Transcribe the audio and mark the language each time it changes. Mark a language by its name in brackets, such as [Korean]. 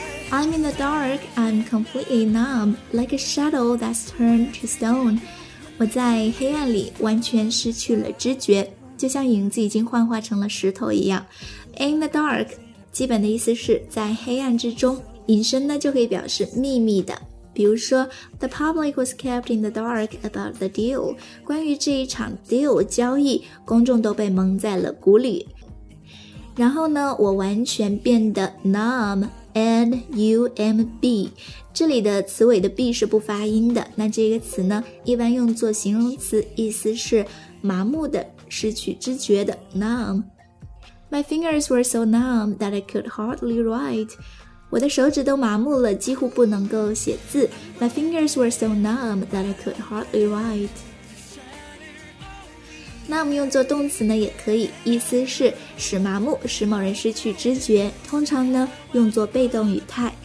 [English] I'm in the dark, I'm completely numb, like a shadow that's turned to stone. [Chinese] 我在黑暗里完全失去了知觉，就像影子已经幻化成了石头一样。 [English] In the dark, [Chinese] 基本的意思是在黑暗之中，隐身呢就可以表示秘密的。比如说 [English] The public was kept in the dark about the deal. [Chinese] 关于这一场 deal 交易，公众都被蒙在了鼓里。然后呢，我完全变得 numb,N-U-M-B， 这里的词尾的 B 是不发音的，那这个词呢一般用作形容词，意思是麻木的，失去知觉的 numb。 [English] My fingers were so numb that I could hardly write. [Chinese] 我的手指都麻木了，几乎不能够写字。 [English] My fingers were so numb that I could hardly writeNumb [Chinese] 用作动词呢也可以，意思是使麻木，使某人失去知觉，通常呢用作被动语态。